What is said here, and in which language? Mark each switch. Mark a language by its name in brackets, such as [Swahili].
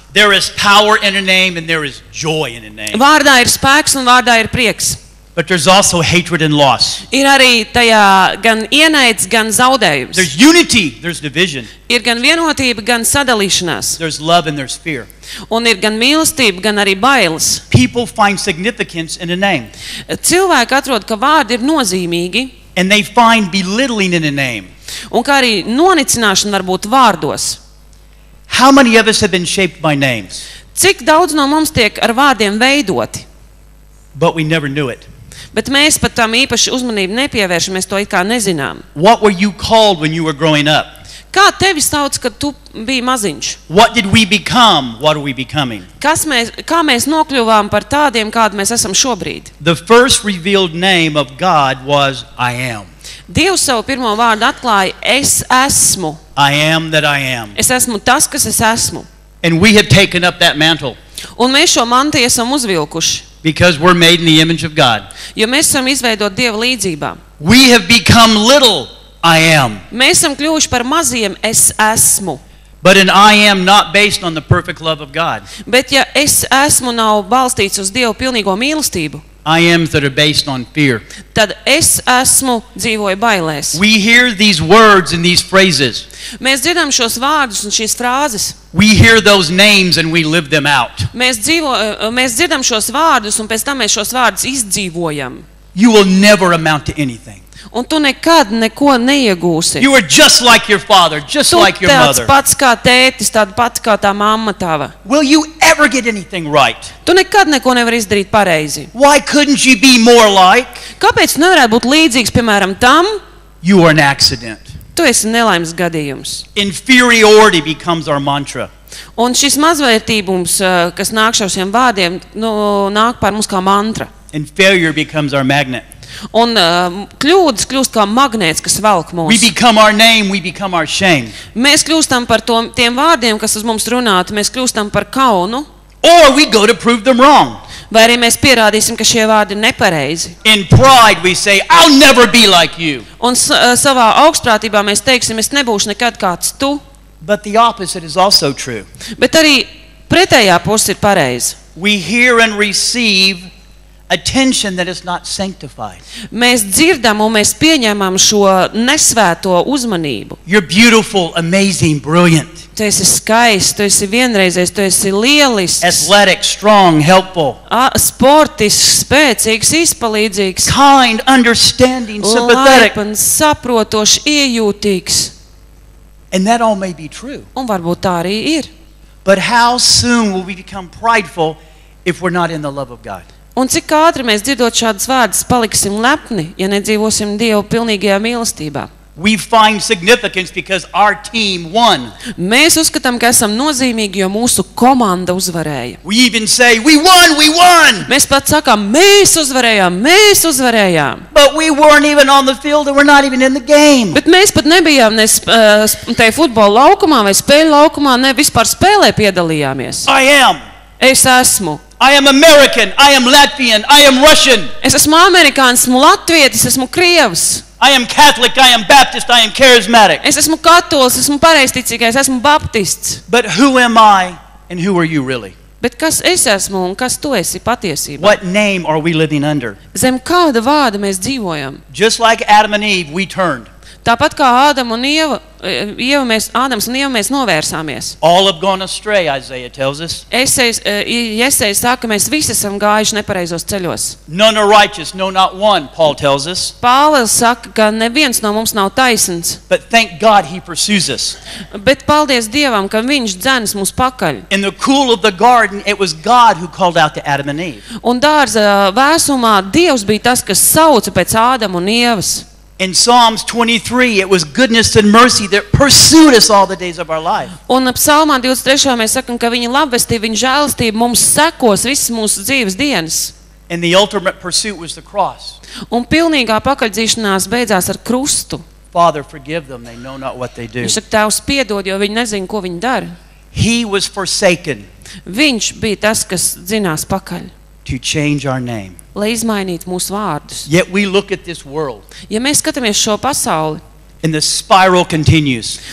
[English] There is power in a name and there is joy in a name. [Latvian] Vārdā ir spēks un vārdā ir prieks. [English] But there's also hatred and loss. [Latvian] Ir arī tajā gan ienaids, gan zaudējums. [English] There's unity, there's division. [Latvian] Ir gan vienotība, gan sadalīšanās. [English] There's love and there's fear. [Latvian] Un ir gan mīlestība, gan arī bailes. [English] People find significance in a name. [Latvian] Cilvēki atrod, ka vārdi ir nozīmīgi. [English] And they find belittling in a name. [Latvian] Un kā arī nonicināšana var būt vārdos. [English] How many of us have been shaped by names? [Latvian] Cik daudz no mums tiek ar vārdiem veidoti? [English] But we never knew it. [Latvian] Bet mēs pat tam īpaši uzmanību nepievēršam, mēs to it kā nezinām. [English] What were you called when you were growing up? [Latvian] Kā tevi sauc, kad tu biji maziņš? [English] What did we become? What are we becoming? [Latvian] Kā mēs nokļuvām par tādiem, kādi mēs esam šobrīd? [English] The first revealed name of God was I am. [Latvian] Dievs savu pirmo vārdu atklāja, es esmu. [English] I am that I am. [Latvian] Es esmu tas, kas es esmu. [English] And we have taken up that mantle. [Latvian] Un mēs šo mantu esam uzvilkuši. [English] Because we're made in the image of God. [Latvian] Jo mēs esam izveidoti Dieva līdzībā. [English] We have become little I am. [Latvian] Mēs esam kļuvuši par maziem es esmu. [English] But an I am not based on the perfect love of God. [Latvian] Bet ja es esmu nav balstīts uz Dieva pilnīgo mīlestību. [English] I ams that are based on fear. [Latvian] Tad es esmu dzīvoju bailēs. [English] We hear these words and these phrases. [Latvian] Mēs dzirdam šos vārdus un šīs frāzes. [English] We hear those names and we live them out. [Latvian] Mēs dzirdam šos vārdus un pēc tam mēs šos vārdus izdzīvojam. [English] You will never amount to anything. [Latvian] Un tu nekad neko neiegūsi. [English] You are just like your father, just like your mother. [Latvian] Tu tāds pats kā tētis, tāds pats kā tā mamma tava. [English] Will you ever get anything right? [Latvian] Tu nekad neko nevar izdarīt pareizi. [English] Why couldn't you be more like? [Latvian] Kāpēc nevarētu būt līdzīgs, piemēram, tam? [English] You are an accident. [Latvian] Tu esi nelaimes gadījums. [English] Inferiority becomes our mantra. [Latvian] Un šis mazvērtībums, kas nāk šo šiem vārdiem, nu, nāk par mums kā mantra. [English] And failure becomes our magnet. [Latvian] Un kļūdas kļūst kā magnēts, kas velk mūs. [English] We become our name, we become our shame. [Latvian] Mēs kļūstam par tiem vārdiem, kas uz mums runātu, mēs kļūstam par kaunu. [English] Or we go to prove them wrong. [Latvian] Vai arī mēs pierādīsim, ka šie vārdi ir nepareizi. [English] In pride we say, I'll never be like you. [Latvian] Un savā augstprātībā mēs teiksim, es nebūšu nekad kāds tu. [English] But the opposite is also true. [Latvian] Bet arī pretējā puse ir pareizi. [English] We hear and receive attention that is not sanctified. [Latvian] Mēs dzirdam un mēs pieņemam šo nesvēto uzmanību. [English] You're beautiful, amazing, brilliant. [Latvian] Tu esi skaists, tu esi vienreizējs, tu esi lielisks. [English] Athletic, strong, helpful. [Latvian] Sportists, spēcīgs, izpalīdzīgs. [English] Kind, understanding, sympathetic. [Latvian] Laipns, saprotošs, iejūtīgs. [English] And that all may be true. [Latvian] Un varbūt tā arī ir. [English] But how soon will we become prideful if we're not in the love of God? [Latvian] Un cik ātri mēs dzirdot šādas vārdas paliksim lepni, ja nedzīvosim Dievu pilnīgajā mīlestībā. [English] We find significance because our team won. [Latvian] Mēs uzskatām, ka esam nozīmīgi, jo mūsu komanda uzvarēja. [English] We even say, we won, we won. [Latvian] Mēs pat sakām, mēs uzvarējām. [English] But we weren't even on the field and we're not even in the game. [Latvian] Bet mēs pat nebijām ne tajā futbola laukumā vai spēļu laukumā, ne vispār spēlē piedalījāmies. [English] I am. [Latvian] Es esmu. [English] I am American, I am Latvian, I am Russian. [Latvian] Es esmu amerikāns, esmu latvietis, esmu krievs. [English] I am Catholic, I am Baptist, I am charismatic. [Latvian] Es esmu katolis, esmu pareizticīgais, esmu baptists. [English] But who am I and who are you really? [Latvian] Bet kas es esmu un kas tu esi patiesībā? [English] What name are we living under? [Latvian] Zem kāda vārda mēs dzīvojam? [English] Just like Adam and Eve, we turned. [Latvian] Tāpat kā Ādams un Ieva, mēs novērsāmies. [English] All have gone astray, Isaiah tells us. [Latvian] Jesaja saka, mēs visi esam gājuši nepareizos ceļos. [English] None are righteous, no not one, Paul tells us. [Latvian] Pāvils saka, ka neviens no mums nav taisns. [English] But thank God he pursues us. [Latvian] Bet paldies Dievam, ka viņš dzenis mūs pakaļ. [English] In the cool of the garden, it was God who called out to Adam and Eve. [Latvian] Un dārza vēsumā Dievs bija tas, kas sauca pēc Ādama un Ievas. [English] In Psalms 23, it was goodness and mercy that pursued us all the days of our life. [Latvian] Un Psalmā 23. Mēs sakam, ka viņa labvestība, viņa žēlstība mums sekos visas mūsu dzīves dienas. [English] And the ultimate pursuit was the cross. [Latvian] Un pilnīgā pakaļdzīšanās beidzās ar krustu. [English] Father, forgive them, they know not what they do. [Latvian] Viņš saka, Tēvs, piedod, jo viņi nezin, ko viņi dara. [English] He was forsaken. [Latvian] Viņš bija tas, kas dzinās pakaļ. [English] To change our name. [Latvian] Lai izmainītu mūsu vārdus. [English] Yet we look at this world. [Latvian] Ja mēs skatāmies šo pasauli. [English] And the spiral continues.